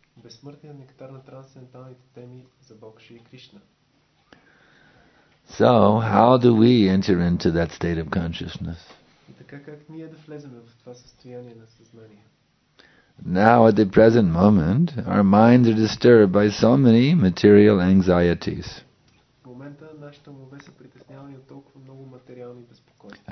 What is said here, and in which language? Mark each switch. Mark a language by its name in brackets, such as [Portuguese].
[Bulgarian] Безсмъртният нектар на трансценденталните теми за Бог Шри Кришна. [English] So, how do we enter into that state of consciousness? [Bulgarian] И така как ние да влезем в това състояние на съзнание? [English] Now, at the present moment, our minds are disturbed by so many material anxieties. [Bulgarian] В момента нашите умове са притеснявани от толкова много материални безпокойства.